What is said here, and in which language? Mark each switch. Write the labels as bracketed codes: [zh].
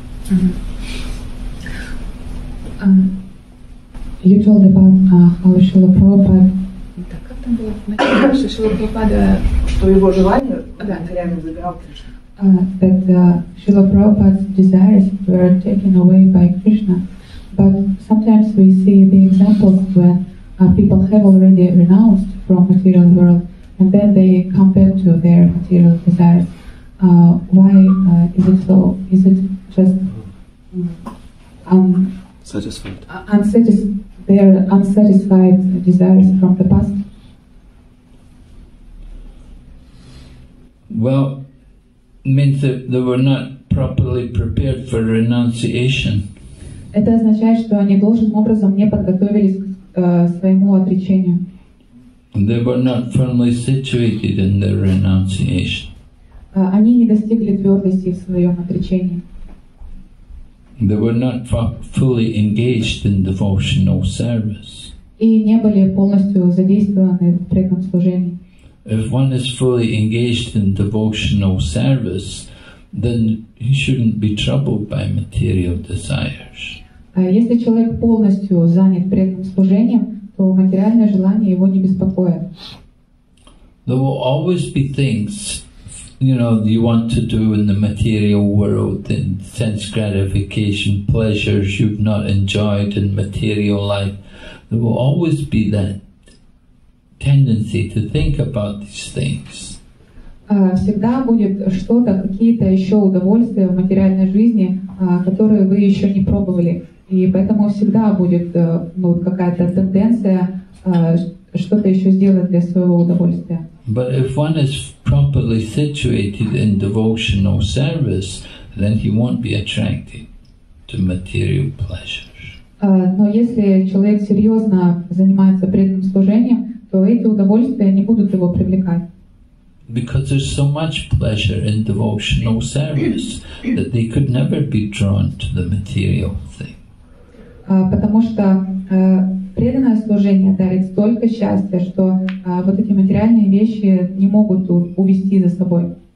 [en] Угу. You told about how Шрила Прабхупада. [ru] Так, как там было? Начало, что Шрила Прабхупада. Что его желание материально забирал Кришна. [en] That Шрила Прабхупада's desires were taken away by Krishna. But sometimes we see the examples when people have already renounced from material world and then they come back to their material desires. Why is it so? Is it just satisfied. Unsatisfied desires from the past? Well, it means that they were not properly prepared for renunciation. [ru] Это означает, что они должным образом не подготовились к своему отречению. [en] They were not firmly situated in their renunciation. [ru] Они не достигли твердости в своем отречении. [en] They were not fully engaged in devotional service. [ru] И не были полностью задействованы в преданном служении. [en] If one is fully engaged in devotional service, then he shouldn't be troubled by material desires. [ru] Если человек полностью занят преданным служением, то материальное желание его не беспокоит. [en] There will always be things, you know, you want to do in the material world, in sense gratification, pleasures you've not enjoyed in material life. There will always be that tendency to think about these things. [ru] Всегда будет что-то, какие-то еще удовольствия в материальной жизни, которые вы еще не пробовали. И поэтому всегда будет ну, какая-то тенденция что-то еще сделать для своего удовольствия. [en] But if one is properly situated in devotional service, then he won't be attracted to material pleasures. [ru] Но если человек серьезно занимается преданным служением, то эти удовольствия не будут его привлекать. [en] Because there's so much pleasure in devotional service that they could never be drawn to the material thing. [ru] Потому что преданное служение дарит столько счастья, что вот эти материальные вещи не могут увести за собой.